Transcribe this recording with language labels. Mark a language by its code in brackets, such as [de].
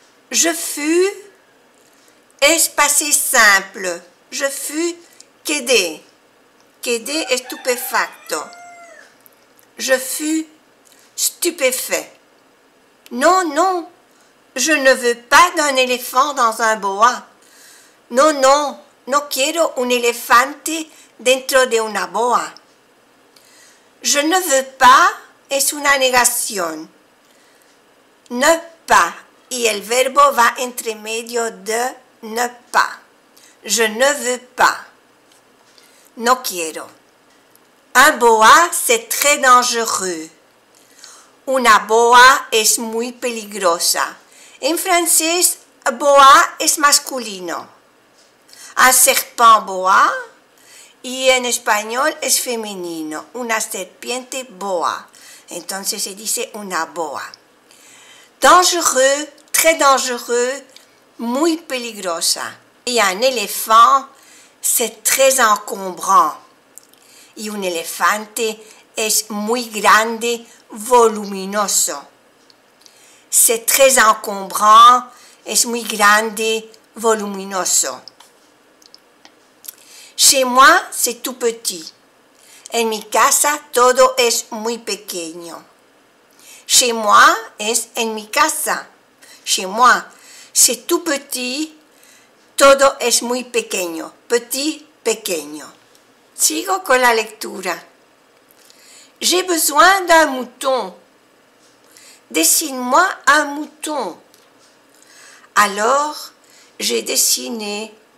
[fr] Je fus, est passé simple. Je fus [es] quedé. Quedé estupefacto. [fr] Je fus stupéfait. Non, non, je ne veux pas d'un éléphant dans un boa. [es] Non, non, no quiero un elefante dentro de una boa. [fr] Je ne veux pas. [es] Es una negación. [fr] Ne pas. [es] Y el verbo va entre medio de ne pas. [fr] Je ne veux pas. [es] No quiero. [fr] Un boa, c'est très dangereux. [es] Una boa es muy peligrosa. En francés, boa es masculino. [fr] Un serpent boa. [es] Y en español es femenino. Una serpiente boa. Entonces se dice una boa. [fr] Dangereux, très dangereux, [es] muy peligrosa. [fr] Y un éléphant, c'est très encombrant. [es] Y un elefante es muy grande, voluminoso. [fr] C'est très encombrant, [es] es muy grande, voluminoso. [fr] Chez moi, c'est tout petit. [es] En mi casa todo es muy pequeño. [fr] Chez moi [es] es en mi casa. [fr] Chez moi, c'est tout petit. [es] Todo es muy pequeño. Petit, pequeño. Sigo con la lectura. [fr] J'ai besoin d'un mouton. Dessine-moi un mouton. Alors, j'ai dessiné.